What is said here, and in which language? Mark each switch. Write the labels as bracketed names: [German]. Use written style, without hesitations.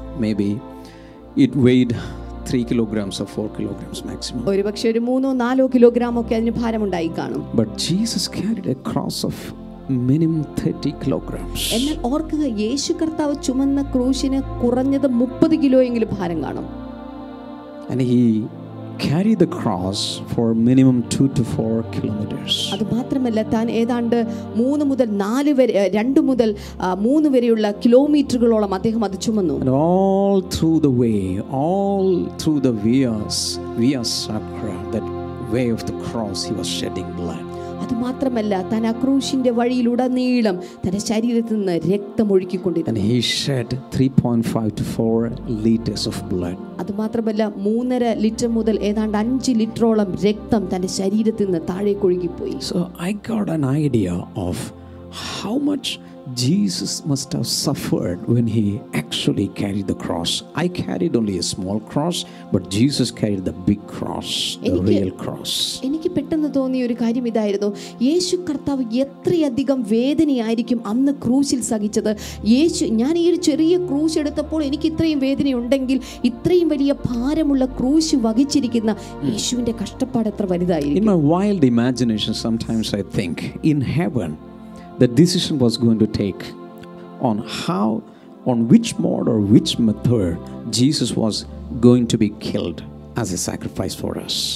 [English] Maybe it weighed 3 kilograms or 4 kilograms maximum. [Malayalam] ഒരു പക്ഷേ ഒരു 3 4 കിലോഗ്രാം ഒക്കെ അതിന് ഭാരം ഉണ്ടായി കാണും. [English] But Jesus carried a cross of minimum 30 kilograms. [Malayalam] എന്നാൽ ഓർക്കുക, യേശു കർത്താവ് ചുമന്ന ക്രൂശിന് കുറഞ്ഞത് 30 കിലോയെങ്കിലും ഭാരം കാണും. [English] And he carried the cross for minimum 2-4 kilometers. [Malayalam] അത് മാത്രമല്ല, താൻ ഏതാണ്ട് 2 മുതൽ 3 വരെയുള്ള കിലോമീറ്ററുകളോളം അദ്ദേഹം അത് ചുമന്നു. [English] And all through the way, all through the via sacra, that way of the cross, he was shedding blood. [Malayalam] അത് മാത്രമല്ല, താൻ ആ ക്രൂശിന്റെ വഴിയിലുടനീളം തന്റെ ശരീരത്തിൽ നിന്ന് രക്തം ഒഴുക്കിക്കൊണ്ടിരുന്നു. [English] And he shed 3.5-4 liters of blood. [Malayalam] അത് മാത്രമല്ല, 3.5 ലിറ്റർ മുതൽ ഏതാണ്ട് 5 ലിറ്ററോളം രക്തം തന്റെ ശരീരത്തിൽ നിന്ന് താഴേക്ക് ഒഴുകിപ്പോയി. [English] So I got an idea of how much Jesus must have suffered when he actually carried the cross. I carried only a small cross, but Jesus carried the big cross, the real cross. [Malayalam] എനിക്ക് പെട്ടെന്ന് തോന്നിയ ഒരു കാര്യം ഇതായിരുന്നു, യേശു കർത്താവ് എത്രയധികം വേദനയായിരിക്കും അന്ന് ക്രൂശിൽ സഹിച്ചത്. യേശു, ഞാൻ ഈ ഒരു ചെറിയ ക്രൂശ് എടുത്തപ്പോൾ എനിക്ക് ഇത്രയും വേദനയുണ്ടെങ്കിൽ ഇത്രയും വലിയ ഭാരമുള്ള ക്രൂശ് വഹിച്ചിരിക്കുന്ന യേശുവിന്റെ കഷ്ടപ്പാട് എത്ര വലുതായിരിക്കും. [English] In my wild imagination, sometimes I think in heaven the decision was going to take on how, on which mode or which method Jesus was going to be killed as a sacrifice for us.